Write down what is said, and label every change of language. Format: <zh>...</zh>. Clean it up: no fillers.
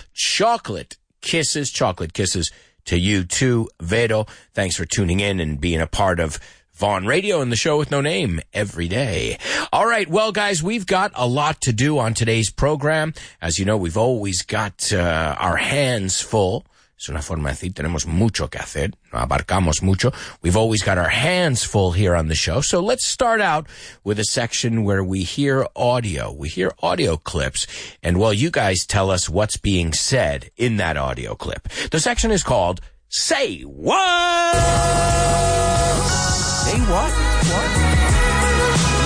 <en>Chocolate kisses. To you too, Vero. Thanks for tuning in and being a part of Vaughn Radio and the show with no name every day. All right. Well, guys, we've got a lot to do on today's program. As you know, we've always got our hands full.</en> <es>Es una forma de decir, tenemos mucho que hacer. Abarcamos mucho.</es> <en>We've always got our hands full here on the show. So let's start out with a section where we hear audio. We hear audio clips. And, well, you guys tell us what's being said in that audio clip. The section is called Say What? Say what? What?</en>